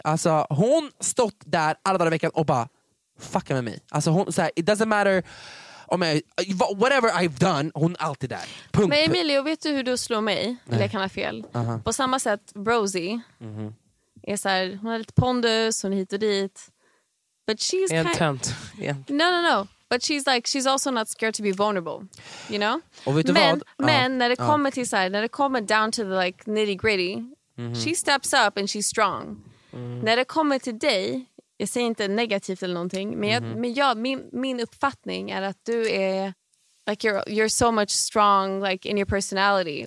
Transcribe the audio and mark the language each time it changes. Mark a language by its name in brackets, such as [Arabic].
[Swedish] Alltså hon stått där alla dagar i veckan och bara fucka med mig. Alltså hon så här, [English] it doesn't matter [Swedish] om jag, [English] whatever I've done, [Swedish] hon är alltid där. Punkt. Men Emilio, vet du hur du slår mig? Nej. Det kan vara fel. Uh-huh. På samma sätt Rosie. Mm-hmm. Är så här, hon är lite pondus, hon är hit och dit. [English] But she's kind of, No. But she's like, she's also not scared to be vulnerable, you know? [Swedish] Och vet du men vad? Men när det kommer till så här, när det kommer [English] down to the like nitty gritty. [Swedish] Mm-hmm. [English] She steps up and she's strong. [Swedish] Mm. När det kommer till dig, jag säger inte negativt eller någonting, men min uppfattning är att du är [English] like you're so much strong like in your personality.